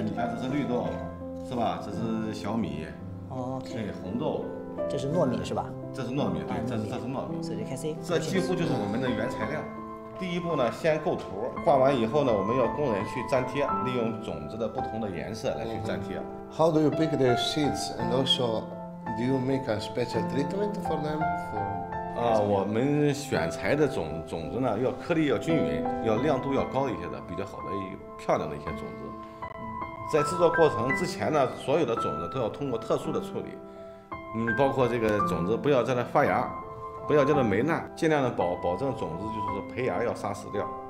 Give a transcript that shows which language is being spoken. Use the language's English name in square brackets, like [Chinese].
[Chinese] 你看，这是绿豆，是吧？这是小米。哦。对，红豆。这是糯米是吧？这是糯米，对，这是糯米。 [English] So you can see。 [Chinese] 这几乎就是我们的原材料。第一步呢，先构图，画完以后呢，我们要工人去粘贴，利用种子的不同的颜色来去粘贴。 [English] How do you pick the seeds and also do you make a special treatment for them? [Chinese] 我们选材的种子呢，要颗粒要均匀，要亮度要高一些的，比较好的漂亮的一些种子。在制作过程之前呢，所有的种子都要通过特殊的处理，包括这个种子不要在那发芽。不要叫它霉烂，尽量的保证种子就是胚芽要杀死掉，